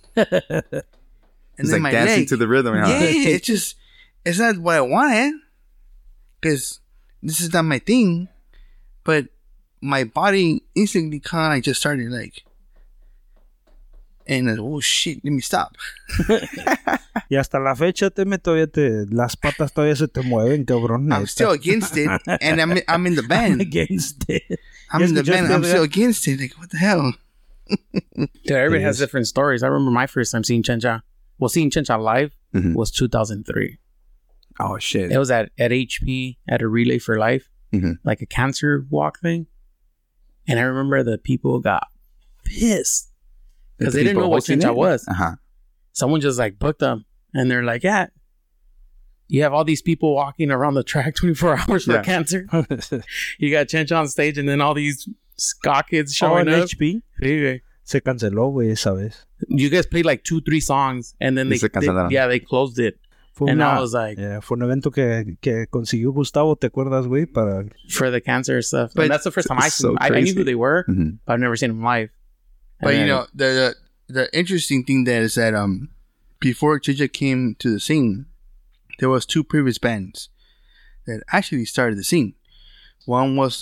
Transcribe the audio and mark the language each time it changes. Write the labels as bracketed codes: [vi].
[en] and it's then like my dancing leg to the rhythm. Yeah, it just it's not what I wanted, because this is not my thing. But my body instantly kind of like just started like, and like, oh shit, let me stop. [es] Y hasta la fecha, teme, todavía te, las patas todavía se te mueven, cabrón. [en] I'm still against it, and I'm in the band. I'm against it. I'm in the band, I'm still against it. Like, what the hell? Dude, everybody has different stories. I remember my first time seeing Chencha. Well, seeing Chencha live was 2003. Oh, shit. It was at HP, at a Relay for Life, like a cancer walk thing. And I remember the people got pissed because they didn't know what Chencha was. Someone just like booked them. And they're like, yeah, you have all these people walking around the track 24 hours for cancer. You got Chencha on stage and then all these Scott kids showing up. [es] HP? Yeah. Se canceló, güey, esa vez. [en] You guys played like 2-3 songs and then they closed it. [es] Fue and una, [en] I was like... [es] Yeah, fue un evento que consiguió Gustavo, ¿te acuerdas, güey? Para... [en] For the cancer stuff. But and that's the first time I seen them. I knew who they were, but I've never seen them live. And but, then, you know, the interesting thing that is that before Chencha came to the scene, there was two previous bands that actually started the scene. One was...